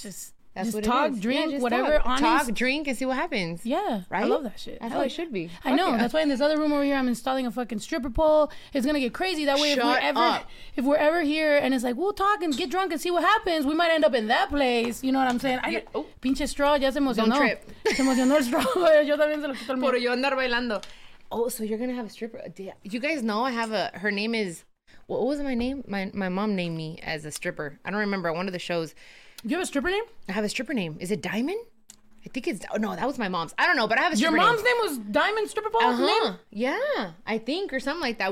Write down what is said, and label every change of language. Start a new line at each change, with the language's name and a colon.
English: Just what talk, it is. Drink, yeah, just whatever, talk. Honest. Talk, drink, and see what happens. Yeah, right? I love that shit. That's how it should be. I know, that's why in this other room over here, I'm installing a fucking stripper pole. It's gonna get crazy, that way if we're ever here, and it's like, we'll talk and get drunk and see what happens, we might end up in that place, you know what I'm saying?
Spanish: Pinche straw, ya se emocionó.
English: Don't trip.
Spanish: Se emocionó el straw, yo también se lo quito el mío. Por yo andar bailando.
English: Oh, so you're gonna have a stripper? You guys know I have her name is, what was my name? My mom named me as a stripper. I don't remember, one of the shows. You have a stripper name? I have a stripper name. Is it Diamond? I think it's, oh, no, that was my mom's. I don't know, but I have a stripper name. Your mom's name was Diamond Stripper Ball? Uh-huh. Name? Yeah, I think, or something like that.